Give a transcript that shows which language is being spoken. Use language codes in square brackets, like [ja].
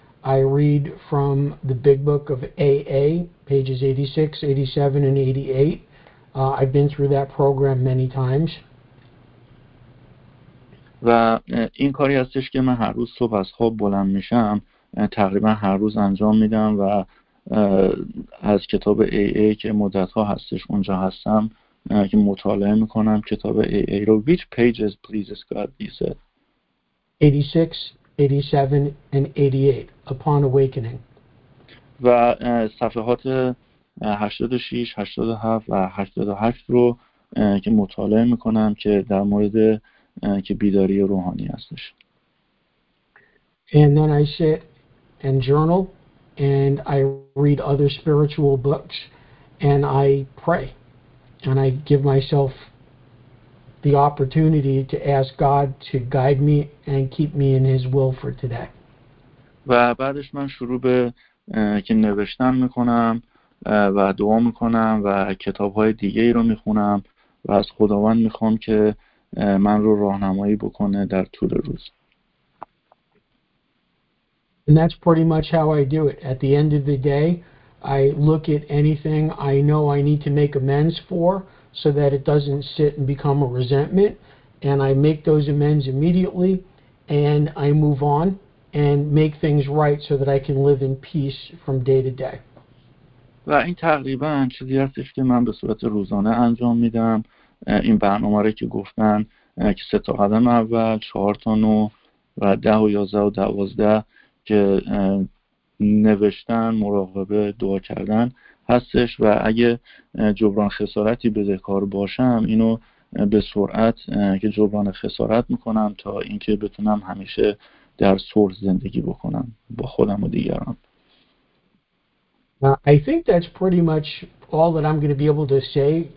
[en] I read from the big book of AA, pages 86, 87, and 88. I've been through that program many times. [fa] و این کاری هستش که من هر روز صبح از خواب بلند میشم، تقریبا هر روز انجام میدم، و از کتاب AA که مدت ها هستش اونجا هستم که مطالعه میکنم کتاب AA رو. [en] Which pages, please, Scott, you said? 86, 87, and 88, upon awakening. [fa] و صفحات 86, 87 و 88 رو که مطالعه میکنم که در مورد که بیداری روحانی هستش. [en] And then I sit and journal and I read other spiritual books and I pray and I give myself the opportunity to ask God to guide me and keep me in his will for today. [fa] و بعدش من شروع به که نوشتن میکنم و دعا میکنم و کتابهای دیگه ای رو میخونم و از خداوند میخوام که من رو راهنمایی بکنه در طول روز. [en] And that's pretty much how I do it. At the end of the day, I look at anything I know I need to make amends for so that it doesn't sit and become a resentment, and I make those amends immediately and I move on and make things right so that I can live in peace from day to day. [fa] و این تقریبا چیزی هستش که من به صورت روزانه انجام میدم. این برنامه رو که گفتن که 3 تا قدم اول, 4 تا 9 و 10 و 11 و 12 که نوشتن, مراقبه, دعا کردن هستش و اگه جبران خسارتی بدهکار باشم اینو به سرعت که جبران خسارت میکنم تا اینکه بتونم همیشه در صلح زندگی بکنم با خودم و دیگران. [en] I think that's pretty much all that I'm going to be able to say.